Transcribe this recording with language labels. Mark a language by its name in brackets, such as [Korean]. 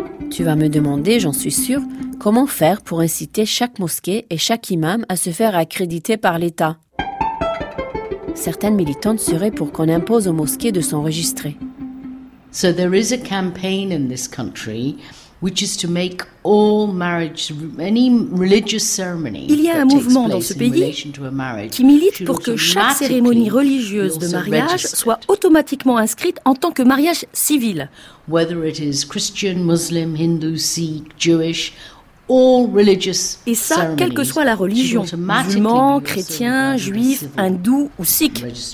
[French] Tu vas me demander, j'en suis sûre, comment faire pour inciter chaque mosquée et chaque imam à se faire accréditer par l'État? Certaines militantes seraient pour qu'on impose aux mosquées de s'enregistrer. [English] So there is a campaign in this country which is to make all marriage, any religious ceremony. [French] Il y a un mouvement dans ce pays qui milite pour que chaque cérémonie religieuse de mariage soit automatiquement inscrite en tant que mariage civil. [English] Whether it is Christian, Muslim, Hindu, Sikh, Jewish. All religious [French] et ça, quelle que soit la religion, musulman, chrétien, juif, hindou ou sikh.